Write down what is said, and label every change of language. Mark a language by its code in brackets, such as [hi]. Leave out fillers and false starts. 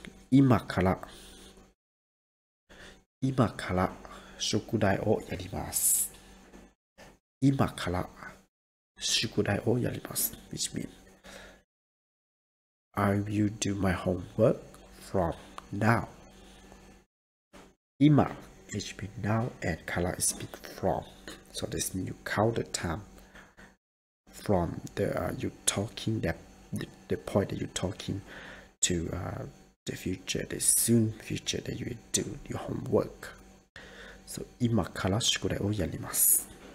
[ja] 今から宿題をやります。今から宿題をやります。 [en] Which means, I will do my homework from now. 今 is mean now and から is mean from. So this means you count the time. From the you talking that the point that you talking to the future, the soon future that you will do your homework. [ja] So, 今から宿題をやります。